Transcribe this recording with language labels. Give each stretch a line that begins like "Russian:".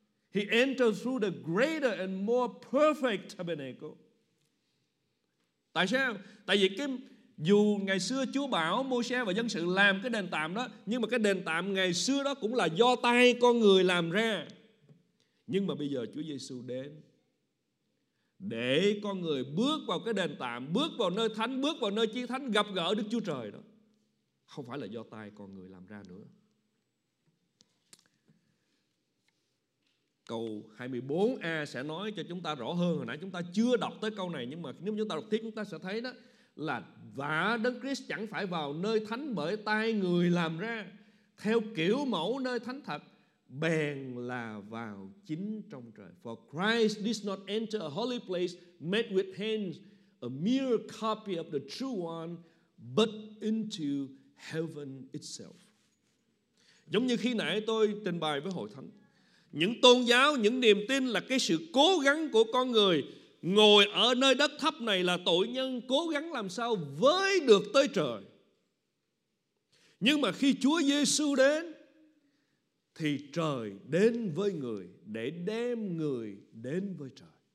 English: He entered through the greater and more perfect tabernacle.
Vietnamese: Tại sao? Tại vì dù ngày xưa Chúa bảo Môi-se và dân sự làm cái đền tạm đó, nhưng mà cái đền tạm ngày xưa đó cũng là do tay con người làm ra. Nhưng mà bây giờ Chúa Giê-xu đến để con người bước vào cái đền tạm, bước vào nơi thánh, bước vào nơi chi thánh, gặp gỡ Đức Chúa Trời đó. Không phải là do tay con người làm ra nữa. Câu 24a sẽ nói cho chúng ta rõ hơn. Hồi nãy chúng ta chưa đọc tới câu này, nhưng mà nếu chúng ta đọc tiếp chúng ta sẽ thấy đó là: và Đấng Christ chẳng phải vào nơi thánh bởi tay người làm ra, theo kiểu mẫu nơi thánh thật, bèn là vào chính trong trời.
English: For Christ did not enter a holy place made with hands, a mere copy of the true one, but into heaven itself.
Vietnamese: Giống như khi nãy tôi trình bày với hội thánh, những tôn giáo, những niềm tin là cái sự cố gắng của con người ngồi ở nơi đất thấp này là tội nhân, cố gắng làm sao với được tới trời. Nhưng mà khi Chúa Giê-xu đến, thì trời đến với người để đem người đến với trời.